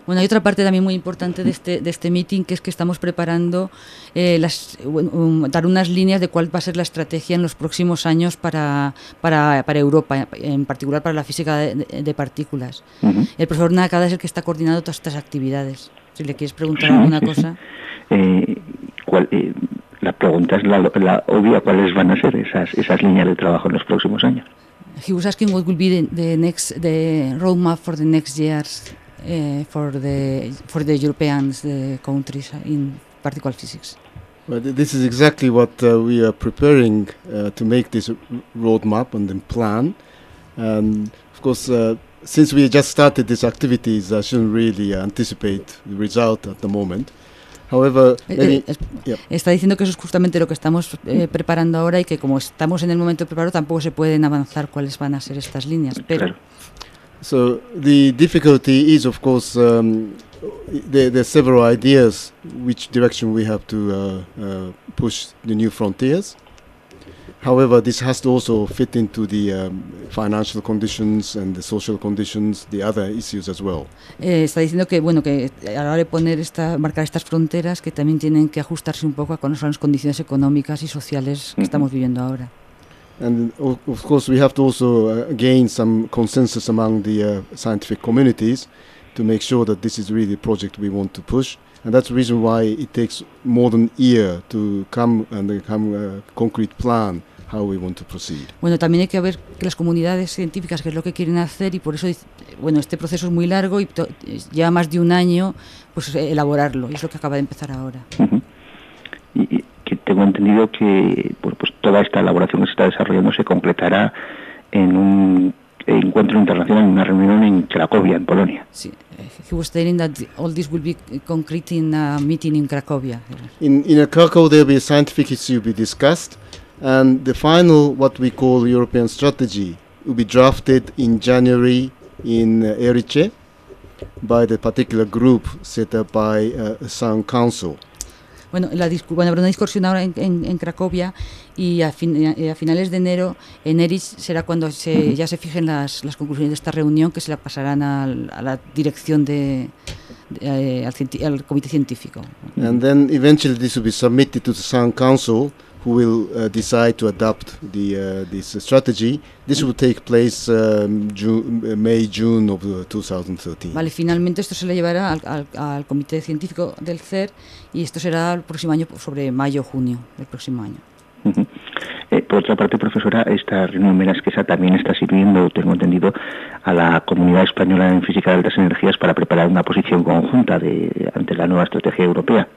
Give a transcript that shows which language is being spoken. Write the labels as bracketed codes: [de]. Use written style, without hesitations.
[es] Bueno, hay otra parte también muy importante de este meeting, que es que estamos preparando dar unas líneas de cuál va a ser la estrategia en los próximos años para Europa, en particular para la física de partículas. Uh-huh. El profesor Nakada es el que está coordinando todas estas actividades. Si le quieres preguntar alguna cosa... La pregunta es la obvia, ¿cuáles van a ser esas líneas de trabajo en los próximos años? [en] He was asking what will be the roadmap for the next years for the European countries in particle physics. Well, this is exactly what we are preparing to make this roadmap and then plan. And of course, since we just started these activities, I shouldn't really anticipate the result at the moment. However, [es] está diciendo que eso es justamente lo que estamos preparando ahora y que como estamos en el momento preparado tampoco se pueden avanzar cuáles van a ser estas líneas. Pero claro. [en] So the difficulty is, of course, there are several ideas which direction we have to push the new frontiers. However, this has to also fit into the financial conditions and the social conditions, the other issues as well. [es] Está diciendo que bueno, que a la hora de marcar estas fronteras, que también tienen que ajustarse un poco a cuáles son las condiciones económicas y sociales que estamos viviendo ahora. [en] And of course, we have to also gain some consensus among the scientific communities to make sure that this is really the project we want to push. And that's the reason why it takes more than a year to come a concrete plan how we want to proceed. [es] Bueno, también hay que ver que las comunidades científicas qué es lo que quieren hacer y por eso bueno, este proceso es muy largo y lleva más de un año pues elaborarlo y es lo que acaba de empezar ahora. Uh-huh. Y que tengo entendido que pues toda esta elaboración que se está desarrollando se completará en un encuentro internacional, una reunión en Cracovia, en Polonia. Sí. [en] He was saying that all this will be concrete in a meeting in Cracovia. In Krakow, there will be a scientific issue be discussed, and the final, what we call European strategy, will be drafted in January in Erice by the particular group set up by a Sound Council. [es] Bueno, habrá una discusión ahora en Cracovia y a finales de enero en Erich será cuando ya se fijen las conclusiones de esta reunión que se la pasarán a la dirección al comité científico. [en] And then eventually this will be submitted to the Sound Council, who will decide to adopt this strategy. This will take place May, June of 2013. [es] Vale, finalmente esto se le llevará al comité científico del CER y esto será el próximo año, sobre mayo o junio del próximo año. Uh-huh. Por otra parte, profesora, esta reunión Meraskesa también está sirviendo, tengo entendido, a la comunidad española en física de altas energías para preparar una posición conjunta ante la nueva estrategia europea.